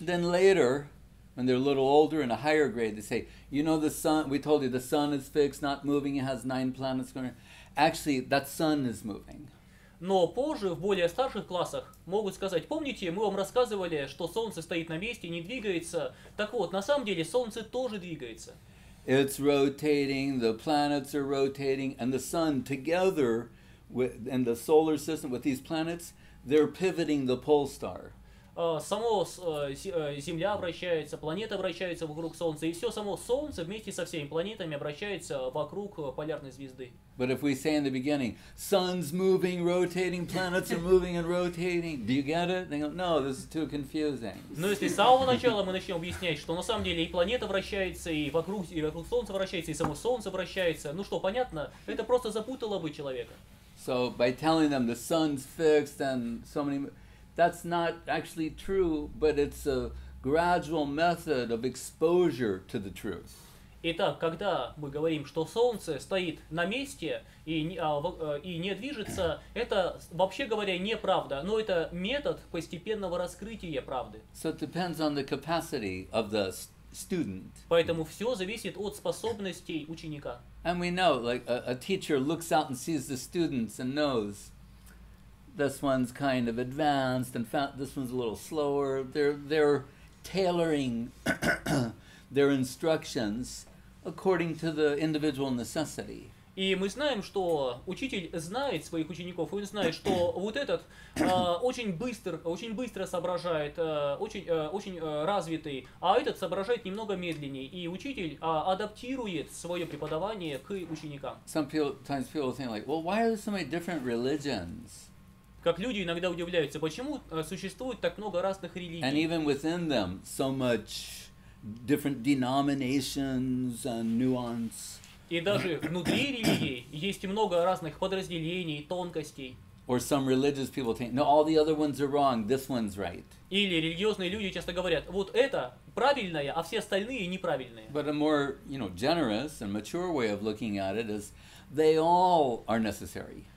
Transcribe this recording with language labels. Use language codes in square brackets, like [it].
[en] Then later, when they're a little older in a higher grade, they say, you know, the sun. We told you the sun is fixed, not moving. It has 9 planets going. Actually, that sun is moving. [ru] Но позже, в более старших классах, могут сказать, помните, мы вам рассказывали, что Солнце стоит на месте, не двигается. Так вот, на самом деле, Солнце тоже двигается. [en] It's rotating, the planets are rotating, and the sun together with and the solar system with these planets, they're pivoting the pole star. [ru] Земля вращается, планеты вращаются вокруг Солнца, и все само Солнце вместе со всеми планетами вращается вокруг полярной звезды. [en] But if we say in the beginning, sun's moving, rotating, planets are moving and rotating, do you get it? They go, no, this is too confusing. [ru] Но если с самого начала мы начнем объяснять, что на самом деле и планета вращается, и вокруг Солнца вращается, и само Солнце вращается, ну что, понятно? Это просто запутало бы человека. [en] So by telling them the sun's fixed and so many... That's not actually true, but it's a gradual method of exposure to the truth. [ru] Итак, когда мы говорим, что солнце стоит на месте и не движется, это вообще говоря неправда, но это метод постепенного раскрытия правды. [en] So it depends on the capacity of the student. [ru] Поэтому все зависит от способностей ученика. [en] And we know, like a teacher looks out and sees the students and knows. This one's kind of advanced, and this one's a little slower. They're tailoring their instructions according to the individual necessity. [ru] И мы знаем, что учитель знает своих учеников, и он знает, что вот этот очень быстро соображает, очень развитый, а этот соображает немного медленнее. И учитель адаптирует свое преподавание к ученикам. [en] Sometimes people think like, well, why are there so many different religions? [ru] Как люди иногда удивляются, почему существует так много разных религий. [en] And even within them, so much different denominations and nuance. [ru] И даже внутри религии есть много разных подразделений, тонкостей. [en] Or some religious people think, no, all the other ones are wrong, this one's right. [ru] Или религиозные люди часто говорят, вот это правильное, а все остальные неправильные. [en] But a more, you know, generous and mature way of looking at it is, they all are necessary.